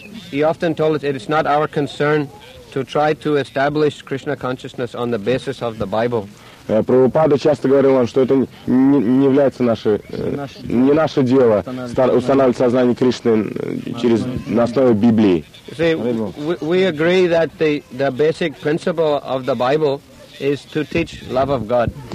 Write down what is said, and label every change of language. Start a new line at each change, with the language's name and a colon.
English: He often told us, it's not our concern to try to establish Krishna consciousness on the basis of the Bible.
Russian: Прабхупада часто говорил вам, что это не является наше дело устанавливать сознание Кришны через на основе Библии.
English: See, we agree that the basic principle of the Bible is to teach love of God.